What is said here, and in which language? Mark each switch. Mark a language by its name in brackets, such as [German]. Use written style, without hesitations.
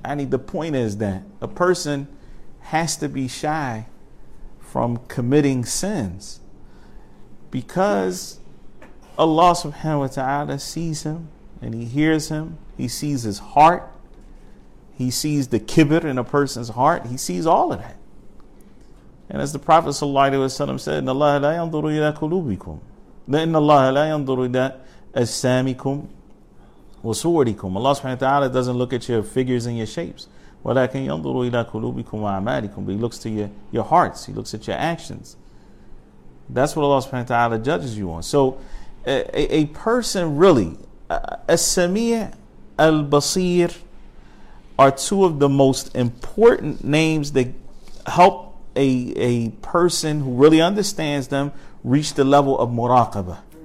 [English] The point is that a person has to be shy from committing sins because Allah subhanahu wa ta'ala sees him and he hears him. He sees his heart. He sees the kibir in a person's heart. He sees all of that. And as the Prophet sallallahu alaihi wasallam said, [Arabic] إِنَّ اللَّهَ لَا يَنْظُرُ إِلَىٰ قُلُوبِكُمْ إِنَّ اللَّهَ لَا يَنْظُرُ إِلَىٰ أَجْسَامِكُمْ وَصُورِكُمْ. [English] Allah subhanahu wa ta'ala doesn't look at your figures and your shapes. [Arabic] وَلَكِنْ يَنْظُرُ إِلَىٰ قُلُوبِكُمْ وَأَعْمَالِكُمْ. [English] But he looks to your hearts. He looks at your actions. That's what Allah subhanahu wa ta'ala judges you on. So a person really, As-Sami' al-Basir are two of the most important names that help a person who really understands them reach the level of muraqabah.